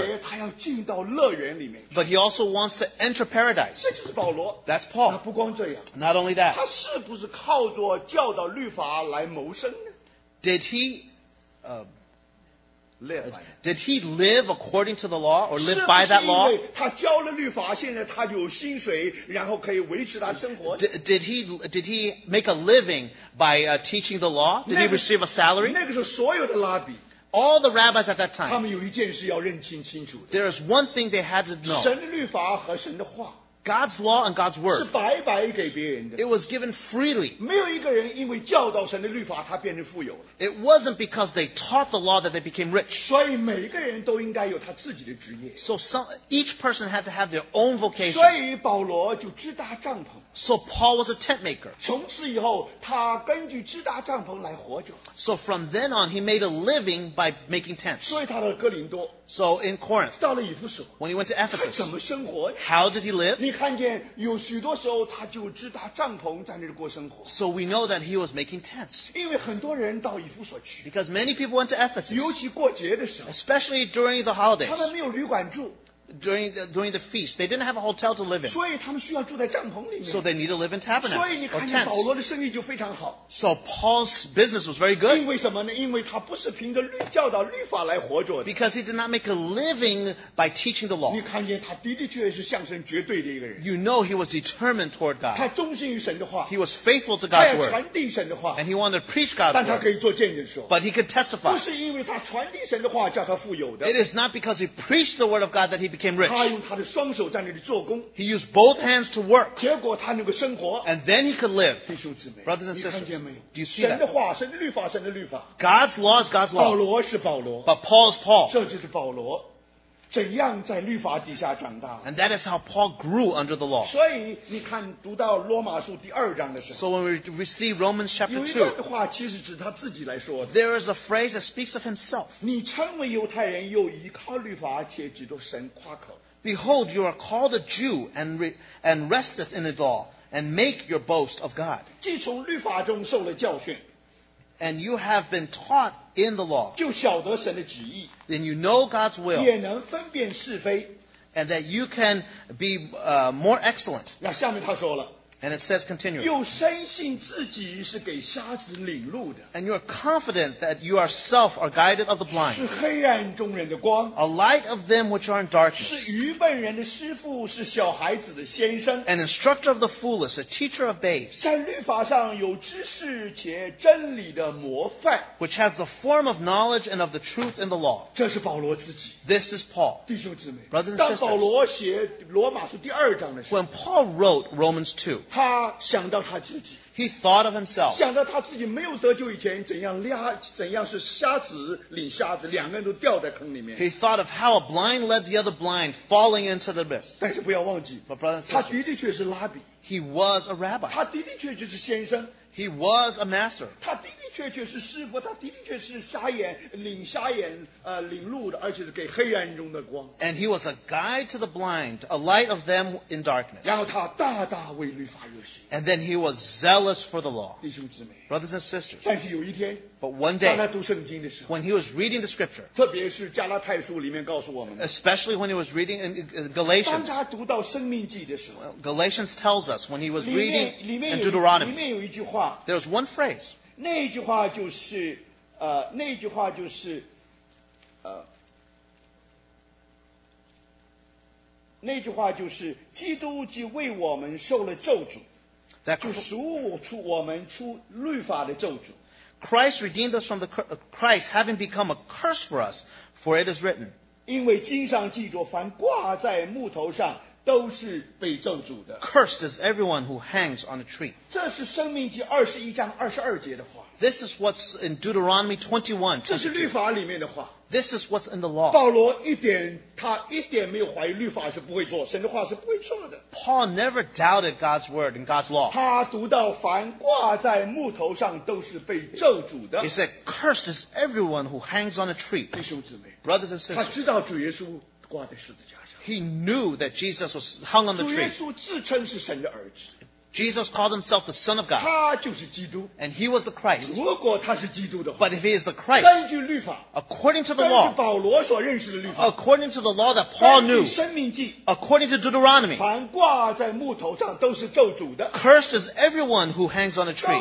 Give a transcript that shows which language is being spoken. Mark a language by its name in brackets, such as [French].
[Chinese] 而且他要进到乐园里面。 [English] But he also wants to enter paradise. [Chinese] 这就是保罗。 [English] That's Paul. [Chinese] 那不光这样。 [English] Not only that. [Chinese] 他是不是靠着教导律法来谋生呢？ [English] Did he, live? Did he live according to the law or live by that law? [Chinese] 是不是因为他教了律法，现在他有薪水，然后可以维持他生活？ [English] Did he make a living by teaching the law? Did he receive a salary? [Chinese] 那个时候所有的拉比。 [English] All the rabbis at that time. [Chinese] 他们有一件事要认清清楚的。 [English] There is one thing they had to know. [Chinese] 神的律法和神的话。 [English] God's law and God's word. [Chinese] 是白白给别人的。 [English] It was given freely. [Chinese] 没有一个人因为教导神的律法，他变成富有了。 [English] It wasn't because they taught the law that they became rich. [Chinese] 所以每个人都应该有他自己的职业。 [English] So each person had to have their own vocation. [Chinese] 所以保罗就支搭帐篷。 [English] So Paul was a tent maker. [Chinese] 从此以后，他根据支搭帐篷来活着。 [English] So from then on, he made a living by making tents. [Chinese] 所以他到哥林多。 [English] So in Corinth. [Chinese] 到了以弗所。 [English] When he went to Ephesus. [Chinese] 怎么生活？ [English] How did he live? [Chinese] 你看见有许多时候他就支搭帐篷在那里过生活。 [English] So we know that he was making tents. [Chinese] 因为很多人到以弗所去。 [English] Because many people went to Ephesus. [Chinese] 尤其过节的时候。 [English] Especially during the holidays. [Chinese] 他们没有旅馆住。 [English] During the feast, they didn't have a hotel to live in. So they need to live in tabernacles or tents. So Paul's business was very good. [Chinese] 因为什么呢？因为他不是凭着教导律法来活着的。 [English] Because he did not make a living by teaching the law. [Chinese] 你看见他的的确是向神绝对的一个人。 [English] You know he was determined toward God. [Chinese] 他忠心于神的话。 [English] He was faithful to God's word. [Chinese] 他要传递神的话。 [English] And he wanted to preach God's word. [Chinese] 但他可以做见证说。 [English] But he could testify. [Chinese] 不是因为他传递神的话叫他富有的。 [English] It is not because he preached the word of God that he became rich. [Chinese] 他用他的双手在那里做工。 [English] He used both hands to work. [Chinese] 结果他能够生活。 [English] And then he could live. [Chinese] 弟兄姊妹。 [English] Brothers and sisters. [Chinese] 你看见没有？ [English] Do you see that? [Chinese] 神的话，神的律法，神的律法。 [English] God's law is God's law. [Chinese] 保罗是保罗。 [English] But Paul is Paul. [Chinese] 这就是保罗。怎样在律法底下长大。 [English] And that is how Paul grew under the law. [Chinese] 所以你看读到罗马书第二章的时候。 [English] So when we see Romans chapter 2. [Chinese] 有一段话其实指他自己来说的。 [English] There is a phrase that speaks of himself. [Chinese] 你称为犹太人又依靠律法且基督神夸口。 [English] Behold, you are called a Jew and restest in the law and make your boast of God. [Chinese] 既从律法中受了教训。 [English] And you have been taught in the law. [Chinese] 就晓得神的旨意。 [English] Then you know God's will. [Chinese] 也能分辨是非。 [English] And that you can be more excellent. [Chinese] 那下面他说了。 [English] And it says continually. [Chinese] 又深信自己是给瞎子领路的。 [English] And you are confident that you yourself are guided of the blind. [Chinese] 是黑暗中人的光。 [English] A light of them which are in darkness. [Chinese] 是愚笨人的师父，是小孩子的先生。 [English] An instructor of the foolish, a teacher of babes. [Chinese] 在律法上有知识且真理的模范。 [English] Which has the form of knowledge and of the truth in the law. [Chinese] 这是保罗自己。 [English] This is Paul. [Chinese] 弟兄姊妹。 [English] Brothers and sisters. [Chinese] 当保罗写罗马书第二章的时候。 [English] When Paul wrote Romans 2. [Chinese] 他想到他自己。 [English] He thought of himself. [Chinese] 想到他自己没有得救以前怎样是瞎子领瞎子两个人都掉在坑里面。 [English] He thought of how a blind led the other blind falling into the abyss. [Chinese] 但是不要忘记。 [English] But brothers and sisters. [Chinese] 他的确是拉比。 [English] He was a rabbi. [Chinese] 他的的确就是先生。 [English] He was a master. [Chinese] 他的的确确是师父他的的确是瞎眼领瞎眼领路的而且是给黑暗中的光。 [English] And he was a guide to the blind, a light of them in darkness. [Chinese] 然后他大大为律法热心。 [English] And then he was zealous for the law. [Chinese] 弟兄姊妹。 [English] Brothers and sisters. [Chinese] 但是有一天。 [English] But one day, [Chinese] 当他读圣经的时候。 [English] When he was reading the scripture. [Chinese] 特别是加拉太书里面告诉我们。 [English] Especially when he was reading in Galatians. [Chinese] 当他读到生命记的时候。 [English] Galatians tells us when he was reading in Deuteronomy. [Chinese] 里面有一句话。 [English] There's one phrase. [Chinese] 那一句话就是那一句话就是那句话就是基督既为我们受了咒诅就赎我们出律法的咒诅。 [English] Christ redeemed us from the Christ having become a curse for us, for it is written. [Chinese] 因为经上记着凡挂在木头上都是被咒诅的。 [English] Cursed is everyone who hangs on a tree. [Chinese] 这是生命记二十一章二十二节的话。 [English] This is what's in Deuteronomy 21. [Chinese] 这是律法里面的话。 [English] This is what's in the law. [Chinese] 保罗一点他一点没有怀疑律法是不会做神的话是不会做的。 [English] Paul never doubted God's word and God's law. [Chinese] 他读到凡挂在木头上都是被咒诅的。 [English] He said, cursed is everyone who hangs on a tree. [Chinese] 弟兄姊妹 [English] Brothers and sisters. [Chinese] 他知道主耶稣挂在十字架上。 [English] He knew that Jesus was hung on the tree. [Chinese] 主耶稣自称是神的儿子。 [English] Jesus called himself the Son of God. [Chinese] 他就是基督。 [English] And he was the Christ. [Chinese] 如果他是基督的话。 [English] But if he is the Christ. [Chinese] 根据律法。 [English] According to the law. [Chinese] 根据保罗所认识的律法。 [English] According to the law that Paul knew. [Chinese] 根据申命记。 [English] According to Deuteronomy. [Chinese] 凡挂在木头上都是咒诅的。 [English] Cursed is everyone who hangs on a tree.